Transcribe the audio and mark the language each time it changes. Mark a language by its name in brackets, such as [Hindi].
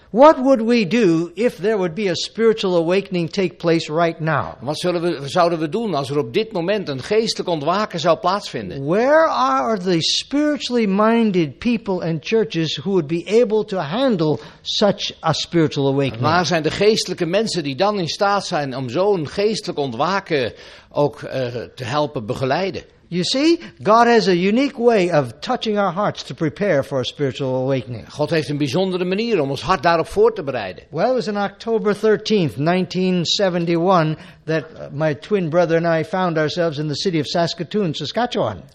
[English] What would we do if there would be a spiritual awakening take place right now? [Dutch] Wat zouden we doen als er op dit moment een geestelijk ontwaken zou plaatsvinden? [English] Where are the spiritually minded people and churches who would be able to handle such a spiritual awakening? [Dutch] Waar zijn de geestelijke mensen die dan in staat zijn om zo'n geestelijk ontwaken ook te helpen begeleiden? [English] You see, God has a unique way of touching our hearts to prepare for a spiritual awakening. [Dutch] God heeft een bijzondere manier om ons hart daarop voor te bereiden. [English] Well, it was on October 13th, 1971, that my twin brother and I found ourselves in the city of Saskatoon, Saskatchewan.